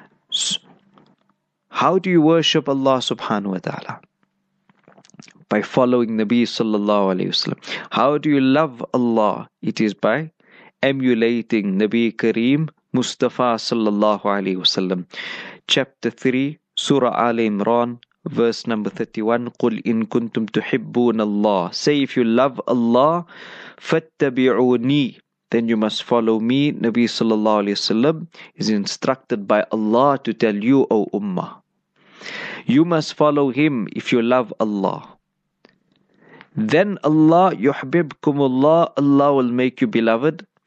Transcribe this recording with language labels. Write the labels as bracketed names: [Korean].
[English] So how do you worship Allah subhanahu wa ta'ala? By following Nabi sallallahu alayhi wa sallam. How do you love Allah? It is by emulating Nabi Kareem Mustafa sallallahu alayhi wa sallam. Chapter 3, Surah Ali Imran, verse number 31, [Arabic] قُلْ إِن كُنْتُمْ تُحِبُّونَ اللَّهِ. [English] Say, if you love Allah, [Arabic] فَاتَّبِعُونِي, [English] then you must follow me. Nabi sallallahu alayhi wa sallam is instructed by Allah to tell you, O Ummah, you must follow him if you love Allah. Then Allah, [Arabic] يُحْبِبْكُمُ اللَّهِ, [English] Allah will make you beloved.